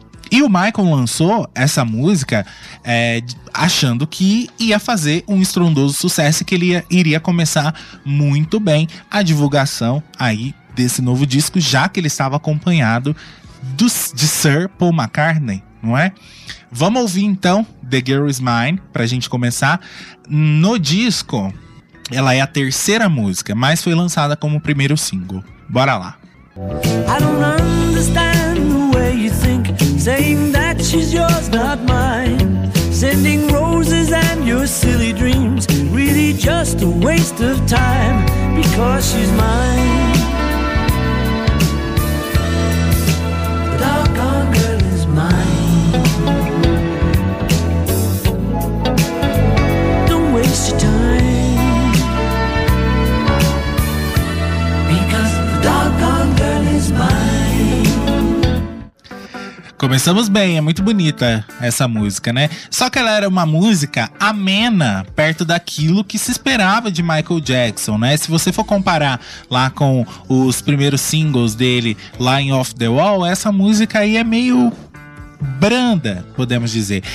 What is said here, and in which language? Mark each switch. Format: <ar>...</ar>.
<pt>E o Michael lançou essa música achando que ia fazer um estrondoso sucesso e que ele iria começar muito bem a divulgação aí desse novo disco, já que ele estava acompanhado de Sir Paul McCartney, não é? Vamos ouvir então The Girl Is Mine pra gente começar. No disco, ela é a terceira música, mas foi lançada como o primeiro single. Bora lá!</pt> <en>I don't understand the way you think. Saying that she's yours, not mine. Sending roses and your silly dreams. Really just a waste of time. Because she's mine. The doggone girl is mine. Don't waste your time. Because the doggone girl is mine.</en> <pt>Começamos bem, é muito bonita essa música, né? Só que ela era uma música amena, perto daquilo que se esperava de Michael Jackson, né? Se você for comparar lá com os primeiros singles dele, Line Off The Wall, essa música aí é meio branda, podemos dizer.</pt>